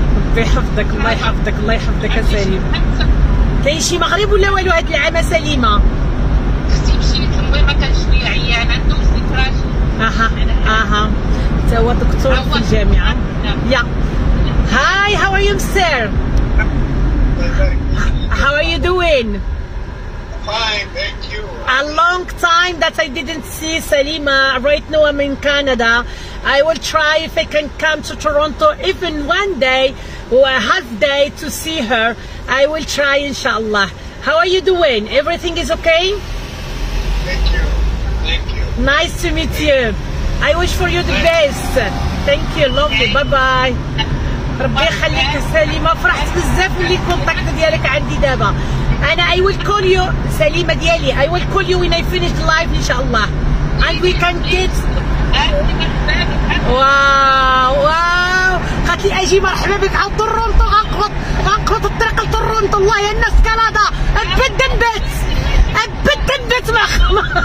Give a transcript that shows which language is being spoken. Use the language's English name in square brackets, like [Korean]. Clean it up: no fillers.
[Arabic] ربي يحفظك الله يحفظك الله يحفظك يا سليمة. كاين شي مغرب ولا والو هاد العام يا سليمة؟ اختي مشيت المهم كان شوية عيانة دوزني كراجل. اها اها انت هو دكتور في الجامعة. [English] يا hi how are you sir? How are you doing? Fine thank you. A long time that I didn't see Salima. Right now I'm in Canada. I will try if I can come to Toronto even one day or a half day to see her. I will try inshallah. How are you doing? Everything is okay? Thank you. Thank you. Nice to meet you. I wish for you the best. Thank you. Love you. Bye bye. [Arabic] ربي يخليك سليمة. فرحت بزاف ملي الكونتاكت ديالك عندي دابا. [English] أنا I will call you [Arabic] سليمة ديالي. [English] I will call you when I finish live إن شاء الله. And we can get. [Arabic] واو واو قالت لي أجي مرحبا بك على تورونتو. غنقبط غنقبط الطريق لتورونتو. والله يا الناس كندا أبدا نبات أبدا نبات مع خما.